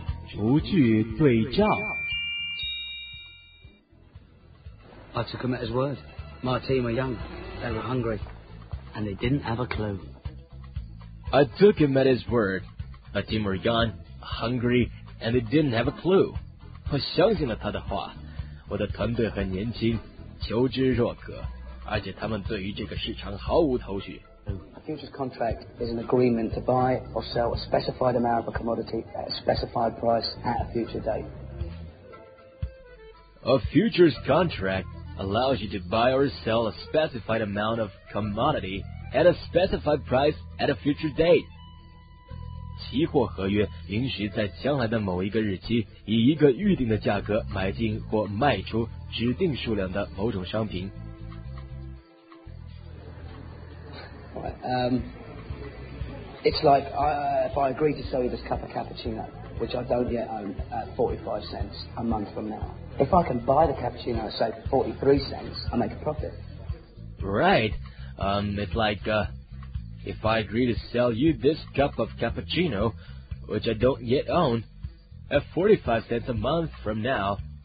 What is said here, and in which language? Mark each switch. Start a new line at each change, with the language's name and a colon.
Chinese: 逐句对照。
English: I took him at his word. My team were young, they were hungry, and they didn't have a clue. I took him at his word. My team were young, hungry, and they didn't have a clue.
Chinese: 我相信了他的话，我的团队很年轻，求知若渴，而且他们对于这个市场毫无头绪。
English: A futures contract is an agreement to buy or sell a specified amount of a commodity at a specified price at a future date. A futures contract allows you to buy or sell a specified amount of commodity at a specified price at a future date.
Chinese: 期货合约允许在将来的某一个日期以一个预定的价格买进或卖出指定数量的某种商品。
English: It's like if I agree to sell you this cup of cappuccino, which I don't yet own, at 45 cents a month from now. If I can buy the cappuccino at, say, 43 cents, I make a profit. Right. It's like if I agree to sell you this cup of cappuccino, which I don't yet own, at 45 cents a month from now.